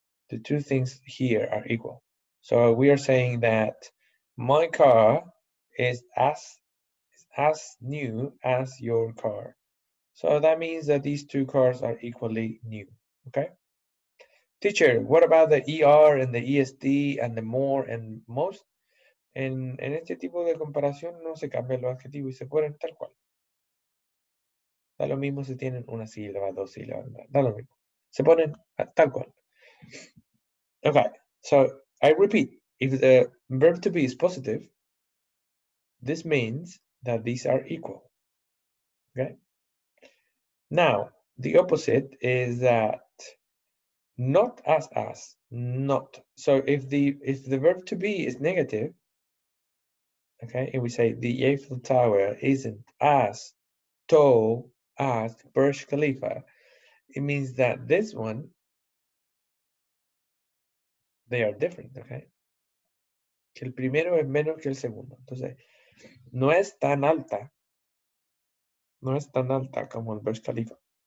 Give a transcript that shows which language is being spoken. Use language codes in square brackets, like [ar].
[en] The two things here are equal. So we are saying that my car is as new as your car. So that means that these two cars are equally new, okay? Teacher, what about the ER and the ESD and the more and most? [es] En este tipo de comparación no se cambian los adjetivos y se ponen tal cual. Da lo mismo si tienen una sílaba, dos sílabas, da lo mismo. Se ponen tal cual. Okay, [en] so I repeat. If the verb to be is positive, this means that these are equal. Okay? Now, the opposite is that not as, not. So if the verb to be is negative, okay, and we say the Eiffel Tower isn't as tall as Burj Khalifa, it means that this one They are different, okay? [es] Que el primero es menor que el segundo. Entonces, no es tan alta. No es tan alta como el Burj Khalifa.